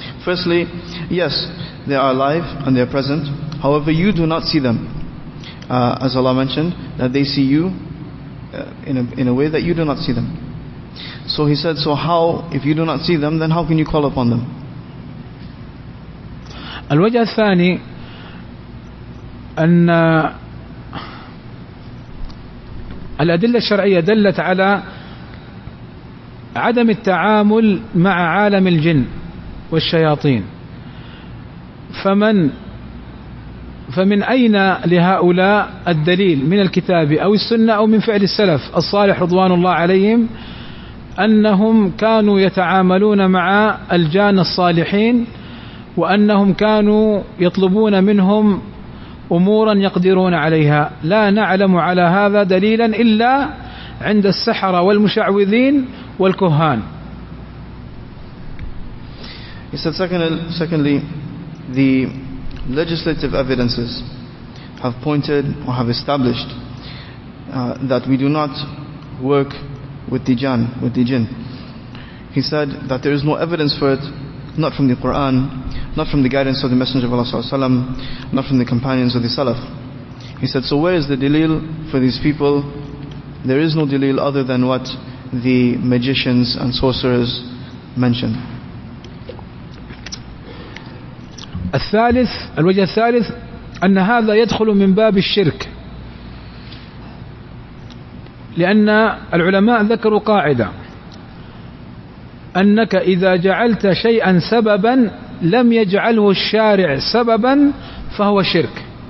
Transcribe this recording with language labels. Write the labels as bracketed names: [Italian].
[English] Firstly, yes, they are alive and they are present. However, you do not see them. As Allah mentioned, that they see you in a way that you do not see them. So he said, so how, if you do not see them, then how can you call upon them? [Arabic] الوجه الثاني أن الأدلة الشرعية دلت على عدم التعامل مع عالم الجن والشياطين، فمن أين لهؤلاء الدليل من الكتاب أو السنة أو من فعل السلف الصالح رضوان الله عليهم أنهم كانوا يتعاملون مع الجان الصالحين وأنهم كانوا يطلبون منهم أمورا يقدرون عليها؟ لا نعلم على هذا دليلا إلا عند السحرة والمشعوذين والكهان. [English] He said, secondly, the legislative evidences have pointed or have established that we do not work with the jinn. He said that there is no evidence for it, not from the Quran, not from the guidance of the Messenger of Allah, not from the companions of the Salaf. He said, so where is the dalil for these people? There is no dalil other than what the magicians and sorcerers mention. [Arabic] الثالث الوجه الثالث أن هذا يدخل من باب الشرك، لأن العلماء ذكروا قاعدة أنك إذا جعلت شيئا سببا لم يجعله الشارع سببا فهو شرك.